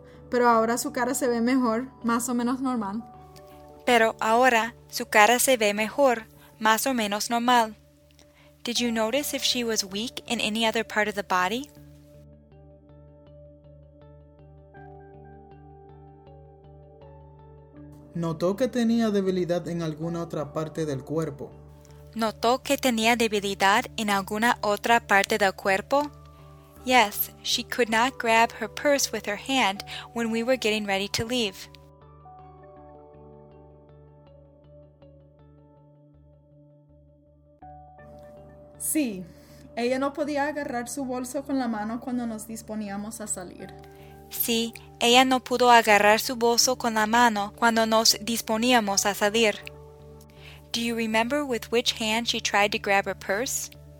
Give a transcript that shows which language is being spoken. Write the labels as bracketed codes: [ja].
[es] Pero ahora su cara se ve mejor, más o menos normal. Pero ahora su cara se ve mejor, más o menos normal. [en] Did you notice if she was weak in any other part of the body? No. [es] Notó que tenía debilidad en alguna otra parte del cuerpo. Notó que tenía debilidad en alguna otra parte del cuerpo. [en] Yes, she could not grab her purse with her hand when we were getting ready to leave. [es] Sí, ella no podía agarrar su bolso con la mano cuando nos disponíamos a salir. Sí, ella no pudo agarrar su bolso con la mano cuando nos disponíamos a salir. [en] Do you remember with which hand she tried to grab her purse?